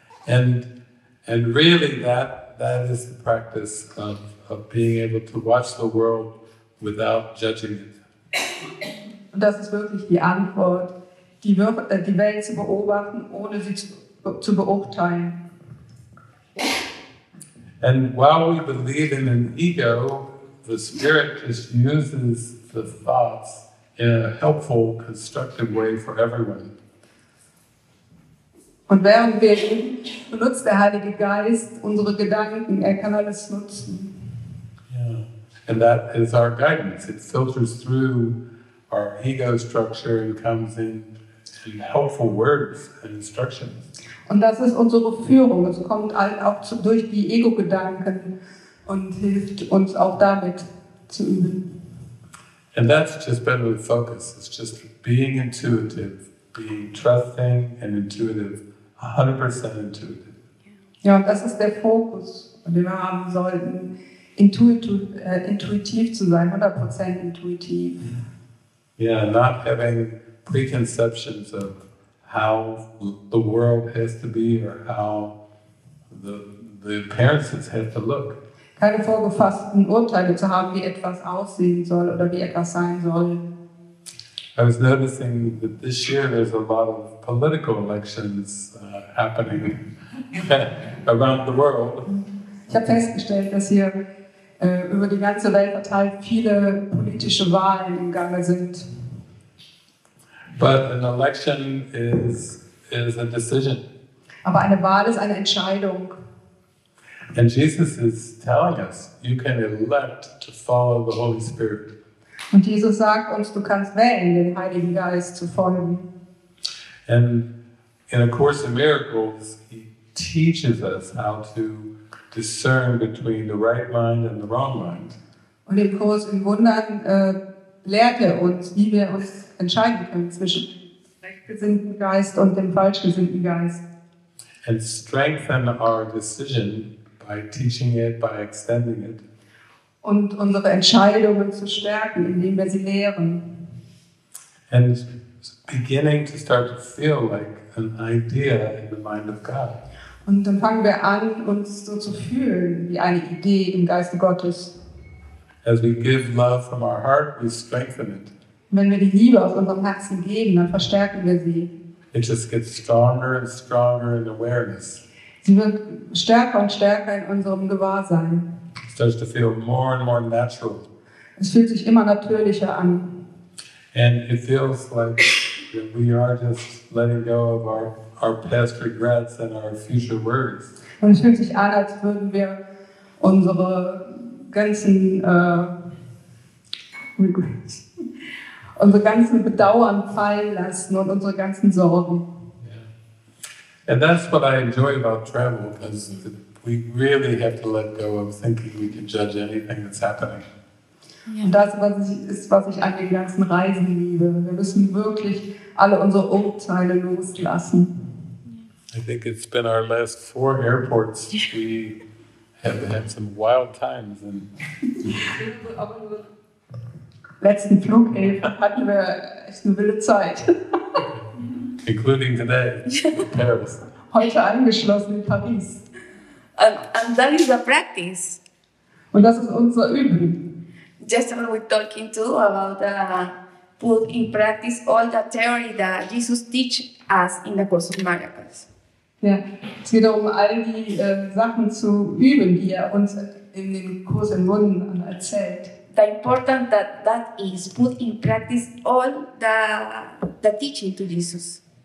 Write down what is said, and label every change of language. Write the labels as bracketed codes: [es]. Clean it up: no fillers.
[en] And really that is the practice of being able to watch the world without judging it. [de] Und das ist wirklich die Antwort, die Welt zu beobachten, ohne sie zu beurteilen. [en] And while we believe in an ego, the spirit just uses the thoughts in a helpful, constructive way for everyone. [de] Und während wir ihn, benutzt der Heilige Geist unsere Gedanken, er kann alles nutzen. [en] And that is our guidance. It filters through our ego structure and comes in helpful words and instructions. [de] Und das ist unsere Führung. Es kommt auch durch die Ego-Gedanken und hilft uns auch damit zu üben. [en] And that's just better with focus. It's just being intuitive, being trusting and intuitive, 100% intuitive. [de] Ja, und das ist der Fokus, den wir haben sollten. Intuitiv zu sein, 100% intuitiv. [en] Yeah, not having preconceptions of how the world has to be or how the appearances have to look. [de] Keine vorgefassten Urteile zu haben, wie etwas aussehen soll oder wie etwas sein soll. [en] I was noticing that this year there's a lot of political elections happening. around the world. [de] Ich habe festgestellt, dass hier über die ganze Welt verteilt viele politische Wahlen im Gange sind. [en] But an election is a decision. [de] Aber eine Wahl ist eine Entscheidung. [en] And Jesus is telling us, you can elect to follow the Holy Spirit. [de] Und Jesus sagt uns, du kannst wählen, den Heiligen Geist zu folgen. [en] And in A Course in Miracles, he teaches us how to discern between the right mind and the wrong mind. [de] Und im Kurs in Wundern lehrt er uns, wie wir uns entscheiden können zwischen dem rechtgesinnten Geist und dem falschgesinnten Geist. [en] And strengthen our decision by teaching it, by extending it. [de] Und unsere Entscheidungen zu stärken, indem wir sie lehren. [en] And beginning to start to feel like an idea in the mind of God. [de] Und dann fangen wir an, uns so zu fühlen, wie eine Idee im Geiste Gottes. [en] As we give love from our heart, we strengthen it. [de] Wenn wir die Liebe aus unserem Herzen geben, dann verstärken wir sie. [en] It just gets stronger and stronger in awareness. [de] Sie wird stärker und stärker in unserem Gewahrsein. [en] It starts to feel more and more natural. [de] Es fühlt sich immer natürlicher an. [en] And it feels like that we are just letting go of our past regrets and our future worries. [de] Und es fühlt sich an, als würden wir unsere ganzen regrets, unsere ganzen Bedauern fallen lassen und unsere ganzen Sorgen. [en] Yeah. And that's what I enjoy about travel, because we really have to let go of thinking we can judge anything that's happening. [de] Und das, was ich an den ganzen Reisen liebe. Wir müssen wirklich alle unsere Urteile loslassen. [en] I think it's been our last 4 airports. We have had some wild times. In [de] letzten Flughäfen hatten wir echt eine wilde Zeit. [en] Including today, in Paris. [de] Heute angeschlossen in Paris. [en] And that is a practice. [de] Und das ist unser Üben. [en] Just what we're talking to about put in practice all the theory that Jesus teach us in the Course of Miracles. [de] Ja, es geht um all die Sachen zu üben, die er uns in den Kurs in Wundern erzählt. [en] The important that is put in practice all the teaching to Jesus.